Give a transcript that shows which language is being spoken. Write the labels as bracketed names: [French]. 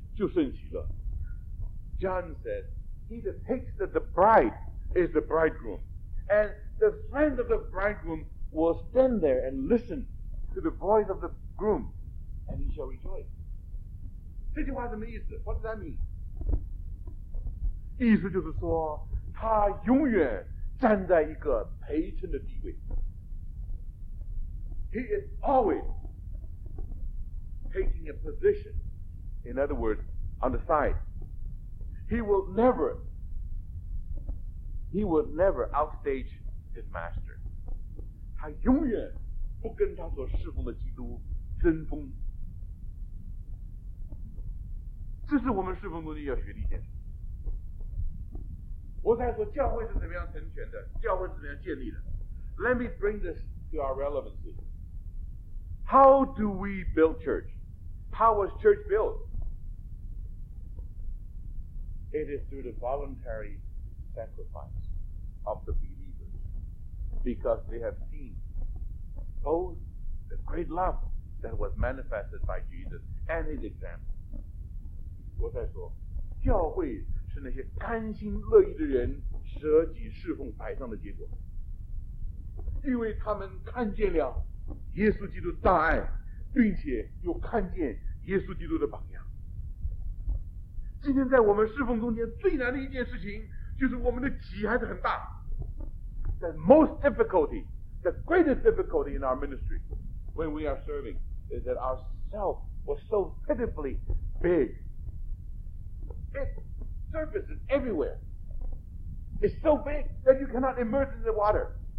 [Chinese] 世纪元在这里说，娶新妇的就是新郎，新郎的朋友站着，听见新郎的声音就甚喜乐。 [English] John said, He that takes the bride is the bridegroom, and the friend of the bridegroom will stand there and listen to the voice of the groom, and he shall rejoice. [Chinese] 这句话什么意思? [English] What does that mean? [Chinese] 意思就是说，他永远站在一个陪衬的地位。 [English] He is always taking a position. In other words, on the side. He will never outstage his master. [Chinese] 他永远不跟他所侍奉的基督争锋。这是我们侍奉中的要学的一件事。我在说教会是怎么样成全的，教会是怎么样建立的。 [English] Let me bring this to our relevancy. How do we build church? How was church built? It is through the voluntary sacrifice of the believers, because they have seen both the great love that was manifested by Jesus and his example. [Chinese] 我再说, 教会是那些甘心乐意的人舍己侍奉摆上的结果, 因为他们看见了耶稣基督的大爱, 并且又看见耶稣基督的榜样。今天在我们侍奉中间最难的一件事情, 就是我们的己还是很大。 [English] The most difficulty, the greatest difficulty in our ministry when we are serving is that our self was so pitifully big. It surfaces everywhere. It's so big that you cannot immerse in the water.